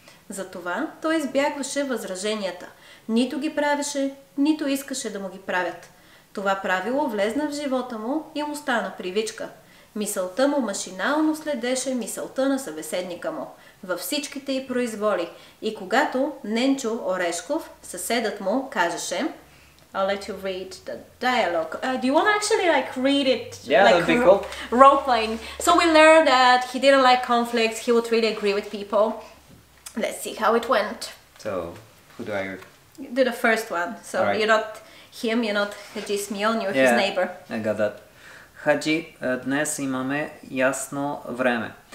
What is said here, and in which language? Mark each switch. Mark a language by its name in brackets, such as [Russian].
[Bulgarian] Затова той избягваше възраженията. Нито ги правеше, нито искаше да му ги правят. Това правило влезна в живота му и му стана привичка. Мисълта му машинално следеше мисълта на събеседника му във всичките й произволи. И когато Ненчо Орешков, съседът му, кажеше [English] I'll let you read the dialogue. Do you want to actually like read it? Yeah, like, that'd be cool. Role playing. So we learned that he didn't like conflicts. He would really agree with people. Let's see how it went. So, who do I read? Do the first one. So right. You're not him, you're not Haji's Mion, you're his neighbor. I got that. [Bulgarian] Haji, днес имаме ясно време.